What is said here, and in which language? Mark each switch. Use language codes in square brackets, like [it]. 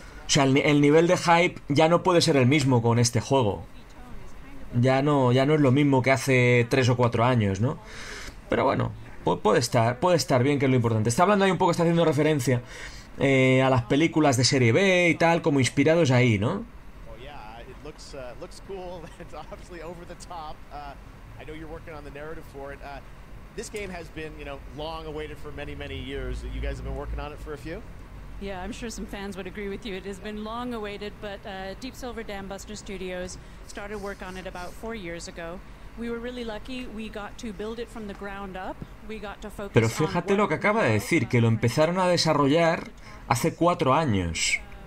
[es] O sea, el nivel de hype ya no puede ser el mismo con este juego. Ya no es lo mismo que hace 3 o 4 años, ¿no? Pero bueno, puede estar bien, que es lo importante. Está hablando ahí un poco, está haciendo referencia a las películas de serie B y tal, como inspirados ahí, ¿no? [en] looks cool. It's obviously over the top. I know you're working on the narrative for it. This game has been, you know, long awaited for many, many years. You guys have been working on it for a few? Yeah, I'm sure some fans would agree with you. It has been long awaited, but Deep Silver Dam Buster Studios started work on it about 4 years ago. We were really lucky. We got to build it from the ground up. We got to focus. [es] Pero fíjate lo que acaba de decir, que lo empezaron a desarrollar hace 4 años.